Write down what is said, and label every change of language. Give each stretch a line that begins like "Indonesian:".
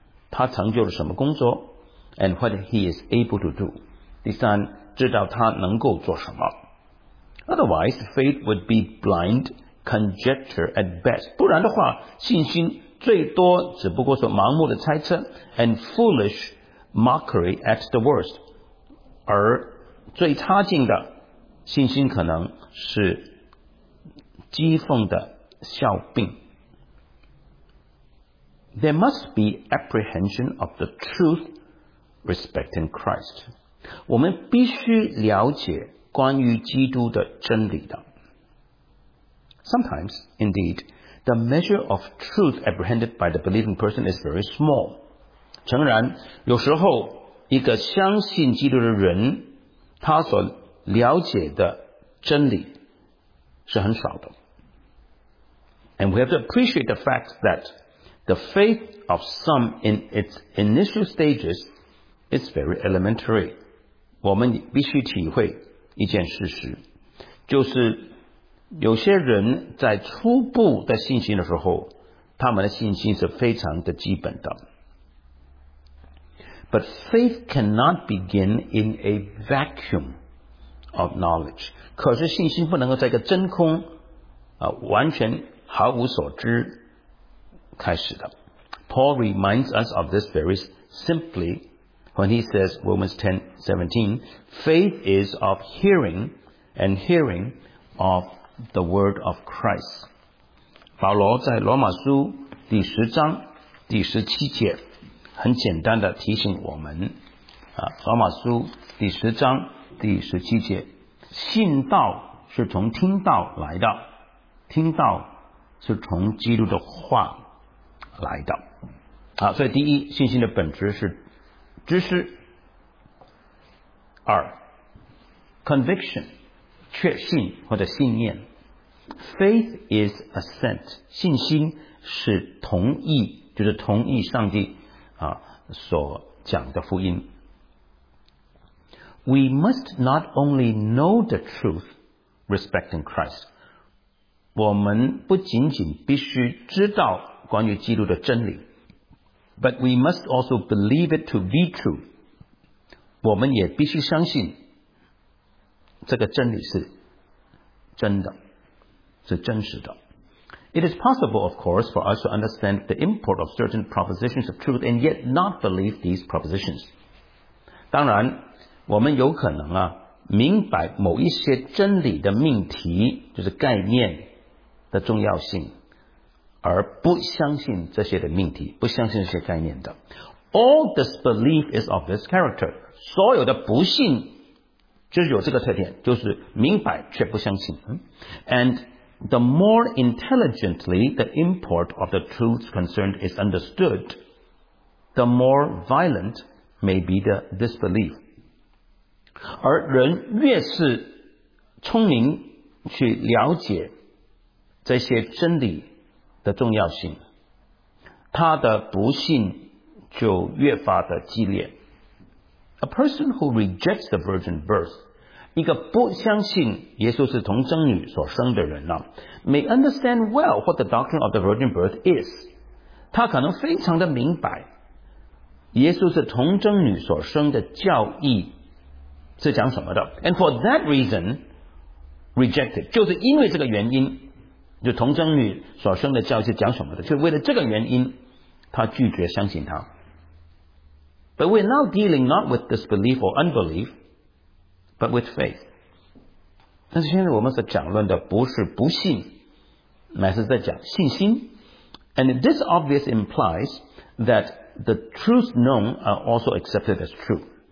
Chinese: 他成就了什么工作，
English: And what he is able to do.
Chinese: 第三，知道他能够做什么。
English: Otherwise, faith would be blind conjecture at best.
Chinese: 不然的话，信心最多只不过是盲目的猜测
English: and foolish mockery at the worst.
Chinese: 而最差劲的信心可能是讥讽的笑柄。
English: There must be apprehension of the truth. Respecting Christ.
Chinese: 我们必须了解关于基督的真理的。
English: Sometimes, indeed, the measure of truth apprehended by the believing person is very small.
Chinese: 诚然，有时候一个相信基督的人，他所了解的真理是很少的。
English: And we have to appreciate the fact that the faith of some in its initial stages is very elementary.
Chinese: 我们必须体会一件事实，就是有些人在初步的信心的时候，他们的信心是非常的基本的。
English: But faith cannot begin in a vacuum of knowledge.
Chinese: 可是信心不能够在一个真空啊，完全毫无所知开始的。
English: Paul reminds us of this very simply when he says Romans 10:17, faith is of hearing and hearing of the word of Christ.
Chinese: 保罗在罗马书第十章第十七节很简单的提醒我们啊，罗马书第十章第十七节，信道是从听道来的，听道是从基督的话来的。啊，所以第一，信心的本质是知识；二 ，conviction， 确信或者信念 ；
English: faith is assent，
Chinese: 信心是同意，就是同意上帝啊所讲的福音。
English: We must not only know the truth respecting Christ，
Chinese: 我们不仅仅必须知道关于基督的真理。
English: But we must also believe it to be true.
Chinese: 我们也必须相信这个真理是真的，是真实的。
English: It is possible, of course, for us to understand the import of certain propositions of truth and yet not believe these propositions.
Chinese: 当然，我们有可能啊，明白某一些真理的命题，就是概念的重要性。而不相信这些的命题，不相信这些概念的。
English: All disbelief is of this character.
Chinese: 所有的不信就是有这个特点，就是明白却不相信。
English: And the more intelligently the import of the truths concerned is understood, the more violent may be the disbelief.
Chinese: 而人越是聪明去了解这些真理的重要性，他的不信就越发的激烈。
English: A person who rejects the virgin birth,
Chinese: 一个不相信耶稣是从贞女所生的人呢，
English: may understand well what the doctrine of the virgin birth is.
Chinese: 他可能非常的明白耶稣是从贞女所生的教义是讲什么的。
English: And for that reason, rejected,
Chinese: 就是因为这个原因，就童贞女所生的教义讲什么的，就为了这个原因他拒绝相信他。
English: But we're now dealing not with disbelief or unbelief but with faith.
Chinese: 但是现在我们所讲论的不是不信，乃是在讲信心。
English: And this obviously implies that the truths known are also accepted as true.